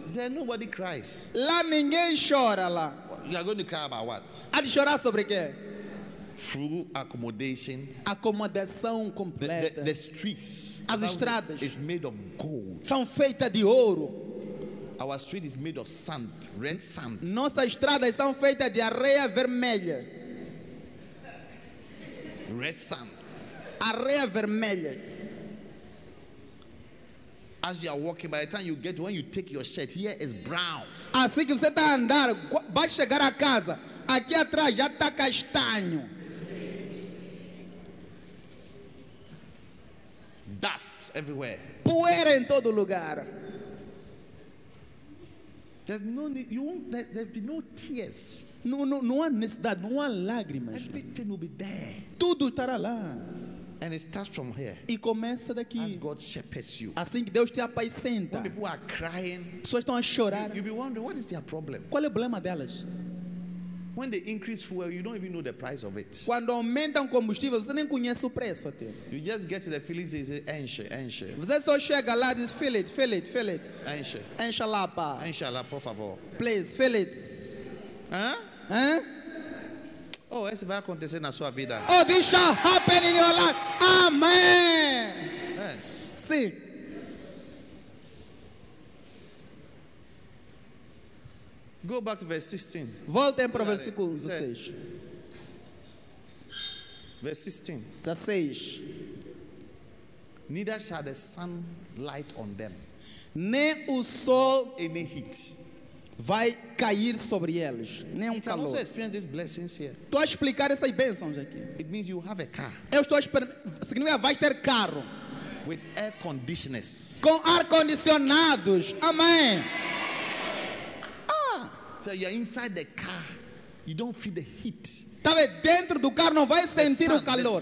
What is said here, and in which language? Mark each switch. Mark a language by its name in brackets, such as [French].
[English] Then nobody cries. [Portuguese] Lá ninguém chora lá. [English] You are going to cry about what? [Portuguese] Há de chorar sobre quê? [English] Full accommodation. [Portuguese] Acomodação completa. [English] The streets. [Portuguese] As estradas. [English] Is made of gold. [Portuguese] São feitas de ouro. [English] Our street is made of sand, red sand. [Portuguese] Nossas estradas são feitas de areia vermelha. [English] Red sand. [Portuguese] Areia vermelha. [English] As you are walking, by the time you get to, when you take your shirt, here is brown. [Portuguese] Assim que você está a andar, vai chegar a casa. Aqui atrás já está castanho. [English] Dust everywhere. [Portuguese] Poeira em todo lugar. [English] There's no need, you won't, there'll be no tears. [Portuguese] Não há necessidade, não há lágrimas. [English] Everything will be there. [Portuguese] Tudo estará lá. [English] And it starts from here. [Portuguese] E começa daqui. [English] As God shepherds you. [Portuguese] Assim que Deus te apacenta. [English] When people are crying, [Portuguese] pessoas estão a chorar. [English] You'll be wondering, what is their problem? [Portuguese] Qual é o problema delas? [English] When they increase fuel, you don't even know the price of it. [Portuguese] Quando aumentam combustível, você nem conhece o preço até. [English] You just get to the filling station, [Portuguese] enche, enche. Você só chega lá, diz, [English] fill it, fill it, fill it. [Portuguese] Enche. Encha lá, pá. Encha lá, por favor. [English] Please, fill it. Hein? Hein? [Portuguese] Oh, isso vai acontecer na sua vida. [English] Oh, this shall happen in your life. Amen. Yes. [Portuguese] Sim. [English] Go back to verse 16. [Portuguese] Voltem para o versículo 16. [English] Verse 16. [Portuguese] 16. [English] Neither shall the sun light on them. [Portuguese] Nem o sol [English] any heat [Portuguese] vai cair sobre eles. Nem calor. [English] Can also experience these blessings here. [Portuguese] Estou a explicar essas bênçãos aqui. [English] It means you have a car. [Portuguese] Eu estou a significa vai ter carro. [English] With air conditioners. [Portuguese] Com ar condicionados. Amém. [English] So you are inside the car, you don't feel the heat. [Portuguese] Tava dentro do carro, não vai sentir o calor.